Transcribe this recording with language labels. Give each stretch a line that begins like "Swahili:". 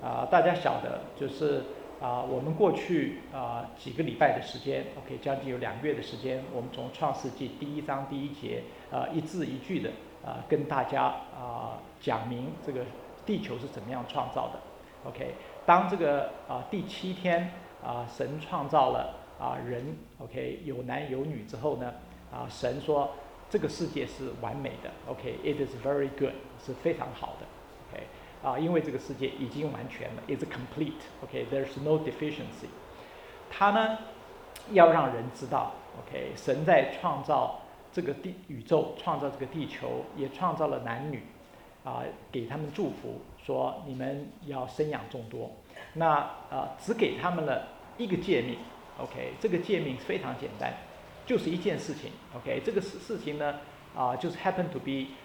Chinese: 大家晓得，就是我们过去几个礼拜的时间 ，OK， 将近有两个月的时间，我们从创世纪第一章第一节，一字一句的跟大家讲明这个地球是怎么样创造的 ，OK， 当这个第七天神创造了人 ，OK， 有男有女之后呢，神说这个世界是完美的 ，OK，
English: it is very good，
Chinese: 是非常好的。因为这个世界已经完全了 ，
English: is complete，
Chinese: OK，
English: there's no deficiency。
Chinese: 他呢，要让人知道 ，OK， 神在创造这个宇宙，创造这个地球，也创造了男女，给他们祝福，说你们要生养众多。那只给他们了一个诫命 ，OK， 这个诫命非常简单，就是一件事情 ，OK， 这个事情呢，就是
English: happen to be。